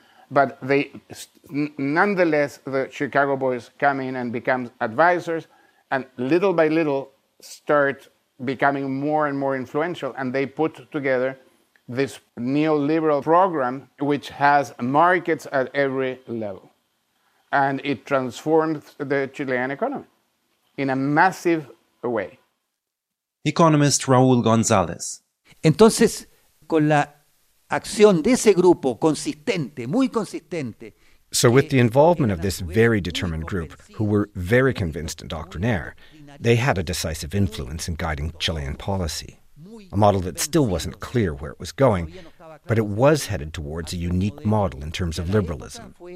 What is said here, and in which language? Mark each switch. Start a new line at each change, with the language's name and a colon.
English: But they, nonetheless, the Chicago Boys come in and become advisors, and little by little start becoming more and more influential, and they put together this neoliberal program, which has markets at every level. And it transformed the Chilean economy in a massive way. Economist Raúl González.
Spanish: Entonces, con la acción de ese grupo consistente, muy consistente.
English: So with the involvement of this very determined group, who were very convinced and doctrinaire, they had a decisive influence in guiding Chilean policy. A model that still wasn't clear where it was going, but it was headed towards a unique model in terms of liberalism.